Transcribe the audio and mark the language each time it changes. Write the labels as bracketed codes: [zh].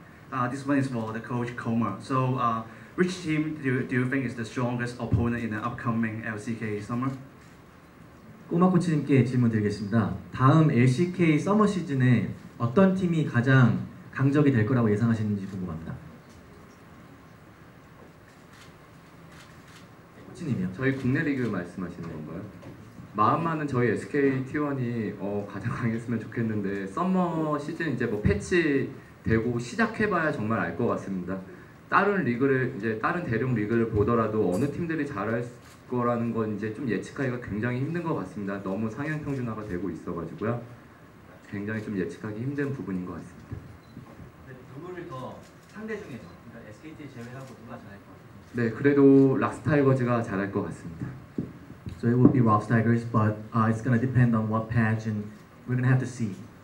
[en] 아, this one is for the coach Koma. So, which team do you think is the strongest opponent in the upcoming LCK summer? [ko] 꼬마 코치님께 질문 드리겠습니다. 다음 LCK 서머 시즌에 어떤 팀이 가장 강적이 될 거라고 예상하시는지 궁금합니다. 코치님이요. 저희 국내 리그 말씀하시는 건가요? 마음만은 저희 SK T1이 가장 강했으면 좋겠는데 서머 시즌 이제 뭐 패치되고 시작해봐야 정말 알 것 같습니다. 다른 리그를 이제 다른 대륙 리그를 보더라도 어느 팀들이 잘할 거라는 건 이제 좀 예측하기가 굉장히 힘든 것 같습니다. 너무 상향 평준화가 되고 있어가지고요. 굉장히 좀 예측하기 힘든 부분인 것 같습니다. 누구를 더 상대 중에서 그러니까 SKT 제외하고 누가 잘할 것 같습니다. 네, 그래도 락스타이거즈가 잘할 것 같습니다. [en] So it will be Rocks Tigers, but it's gonna depend on what patch, and we're gonna have to see.